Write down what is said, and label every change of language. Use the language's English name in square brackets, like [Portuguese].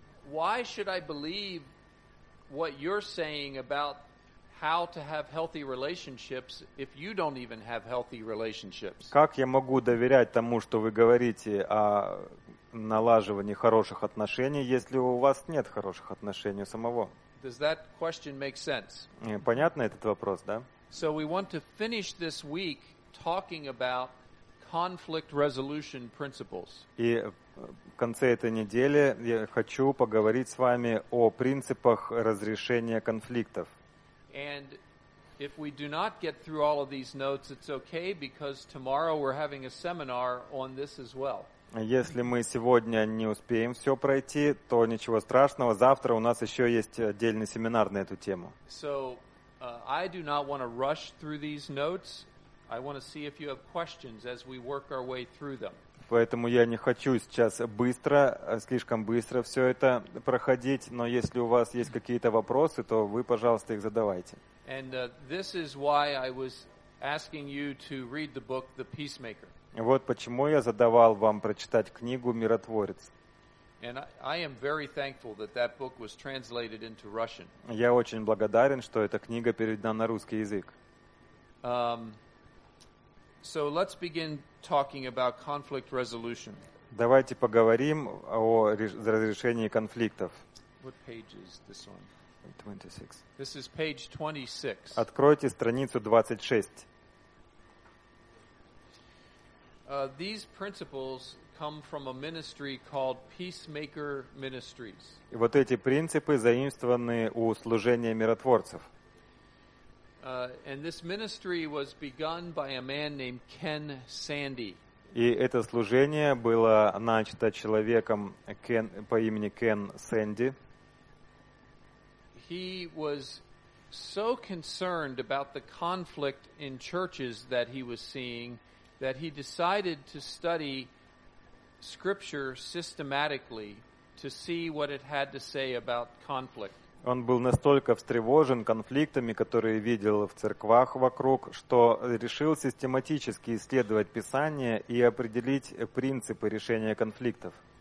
[English] Why should I believe what you're saying about how to have healthy relationships if you don't even have healthy relationships? [Russian] Как я могу доверять тому, что вы говорите о налаживании хороших отношений, если у вас нет хороших отношений у самого? [English] Does that question make sense? [Russian] Понятно этот вопрос, да? [English] So we want to finish this week talking about conflict resolution principles. [Russian] И в конце этой недели я хочу поговорить с вами о принципах разрешения конфликтов. [English] And if we do not get through all of these notes, it's okay, because tomorrow we're having a seminar on this as well. [Russian] Если мы сегодня не успеем все пройти, то ничего страшного, завтра у нас еще есть отдельный семинар на эту тему. [English] So, I do not want to rush through these notes. I want to see if you have questions as we work our way through them. [Russian] Поэтому я не хочу сейчас быстро, слишком быстро все это проходить, но если у вас есть какие-то вопросы, то вы, пожалуйста, их задавайте. [English] And this is why I was asking you to read the book The Peacemaker. [Russian] Вот почему я задавал вам прочитать книгу «Миротворец». [English] And I am very thankful that that book was translated into Russian. [Russian] Я очень благодарен, что эта книга переведена на русский язык. [English] So let's begin talking about conflict resolution. [Russian] Давайте поговорим о разрешении конфликтов. [English] What page is this on? 26. This is page 26. [Russian] Откройте страницу 26. [English] These principles come from a ministry called Peacemaker Ministries. [Russian] И вот эти принципы заимствованы у служения миротворцев. [English] And this ministry was begun by a man named Ken Sandy. [Russian] И это служение было начато человеком по имени Кен Сэнди. [English] He was so concerned about the conflict in churches that he was seeing that he decided to study scripture systematically to see what it had to say about conflict. [Russian] Он был настолько встревожен конфликтами, которые видел в церквах вокруг, что решил систематически исследовать Писание и определить принципы решения конфликтов.